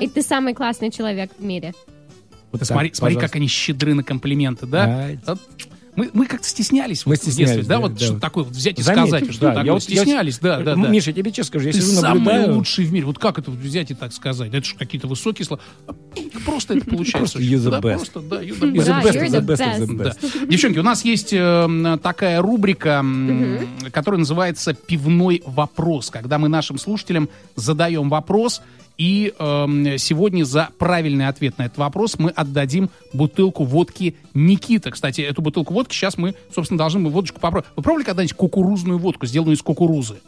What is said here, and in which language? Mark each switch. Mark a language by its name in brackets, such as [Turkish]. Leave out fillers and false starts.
[Russian] И ты самый классный человек в мире. Вот да, смотри, смотри, как они щедры на комплименты, да? Мы как-то стеснялись. Мы стеснялись, да? Вот что-то такое вот взять и сказать. Да, такое? Стеснялись. Миша, я тебе честно скажу, я сижу наблюдаю. Ты самый лучший в мире. Вот как это взять и так сказать? Это же какие-то высокие слова. Просто это получается. [English] You're the best. [Russian] Просто, да, [English] you're the best. [Russian] Девчонки, у нас есть такая рубрика, которая называется «Пивной вопрос», когда мы нашим слушателям задаем вопрос. И сегодня за правильный ответ на этот вопрос мы отдадим бутылку водки Никита. Кстати, эту бутылку водки сейчас мы, собственно, должны мы водочку попробовать. Вы пробовали когда-нибудь кукурузную водку, сделанную из кукурузы?